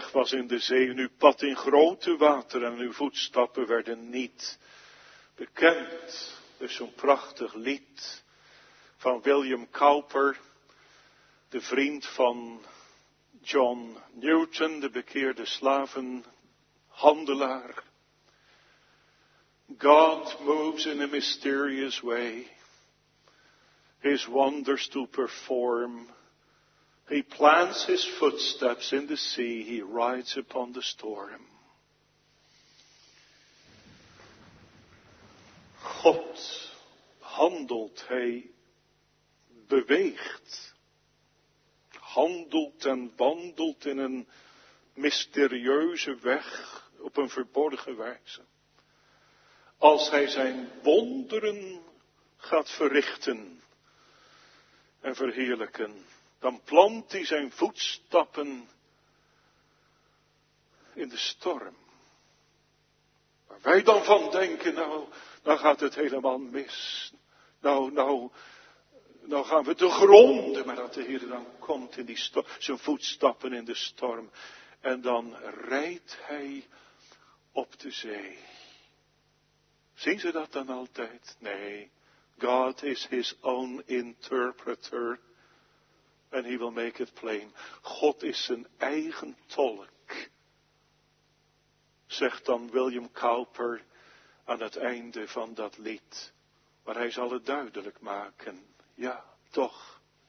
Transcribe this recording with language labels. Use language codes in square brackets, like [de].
[nl] In de zee en uw pad in grote water en uw voetstappen werden niet bekend. Dus zo'n prachtig lied van William Cowper, de vriend van John Newton, de bekeerde slavenhandelaar. [en] God moves in a mysterious way, his wonders to perform. He plants his footsteps in the sea, he rides upon the storm. [nl] God handelt, hij beweegt. Handelt en wandelt in een mysterieuze weg, op een verborgen wijze. Als hij zijn wonderen gaat verrichten en verheerlijken, dan plant hij zijn voetstappen in de storm. Waar wij dan van denken, nou, dan gaat het helemaal mis. Nou gaan we te gronden. Maar dat de Heer dan komt in die storm, zijn voetstappen in de storm. En dan rijdt hij op de zee. Zien ze dat dan altijd? [en] Nee, God is his own interpreter. En he will make it plain. [nl] God is zijn eigen tolk. zegt dan William Cowper aan het einde van dat lied. Maar hij zal het duidelijk maken. Ja, toch.